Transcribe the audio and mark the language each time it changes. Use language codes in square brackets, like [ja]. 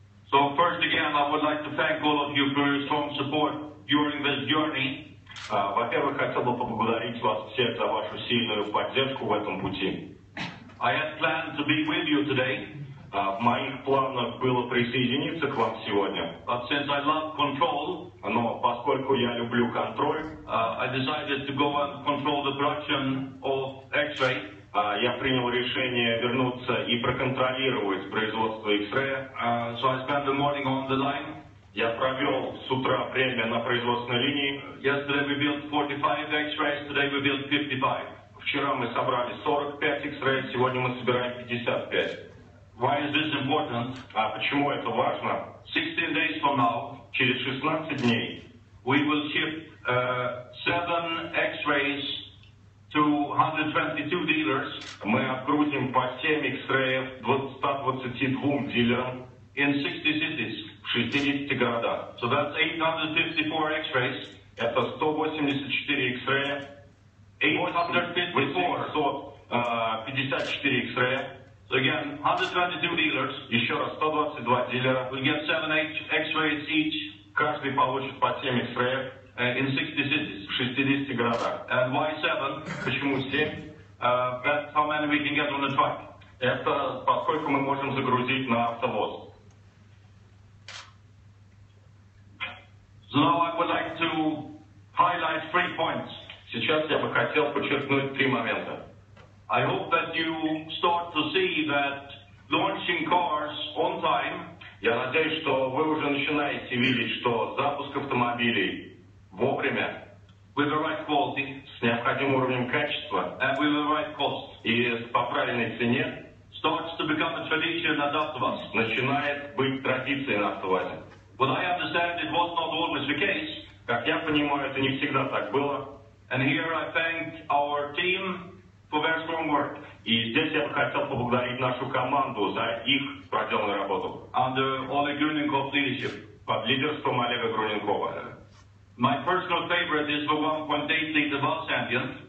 [en] So first again, I would like to thank all of you for your strong support during this journey. [ru] Во-первых, хотел бы поблагодарить вас всех за вашу сильную поддержку в этом пути. [en] I had planned to be with you today. [ru] В моих планах было присоединиться к вам сегодня. [en] But since I love control, [ru] но поскольку я люблю контроль, [en] I decided to go and control the production of X-Ray. [ru] Я принял решение вернуться и проконтролировать производство X-Ray. [en] So I spent the morning on the line. [ru] Я провел с утра время на производственной линии. [en] Yesterday we built 45 X-Rays, today we built 55. [ru] Вчера мы собрали 45 X-Rays, сегодня мы собираем 55. [en] Why is this important? [ru] Почему это важно? [en] 16 days from now, [ru] через 16 дней, [en] we will ship 7 X-Rays to 122 dealers. [ru] Мы отгрузим по 7 X-Rays 122 дилерам. [en] In 60 cities. [ru] В 60 городах. [en] So that's 854 X-Rays. [ru] Это 184 X-Rays. 854. [en] 54 X-Rays. So again, 122 dealers. [ru] Еще раз, 122 дилера. [en] We get 7 X-rays each. [ru] Каждый получит по 7 X-rays. [en] In 60 cities. [ru] В 60 городах. [en] And why 7? [ru] Почему 7? [en] That's how many we can get on the truck. [ru] Это поскольку мы можем загрузить на автовоз. [en] So now I would like to highlight three points. [ru] Сейчас я бы хотел подчеркнуть три момента. [en] I hope that you start to see that launching cars on time. [ru] Я надеюсь, что вы уже начинаете видеть, что запуск автомобилей вовремя, [en] with the right quality, [ru] с необходимым уровнем качества, [en] and with the right cost, [ru] и по правильной цене, [en] starts to become a tradition at AvtoVaz. [ru] Начинает быть традицией на АвтоВАЗе. [en] But I understand it was not always the case. [ru] Как я понимаю, это не всегда так было. [en] And here I thank our team. Very strong work. [ru] И здесь я бы хотел поблагодарить нашу команду за их проделанную работу. [en] Under Oleg Gruninkov's leadership. [ru] Под лидерством Олега Груненкова. [en] My personal favorite is the 1.8-liter bus champion.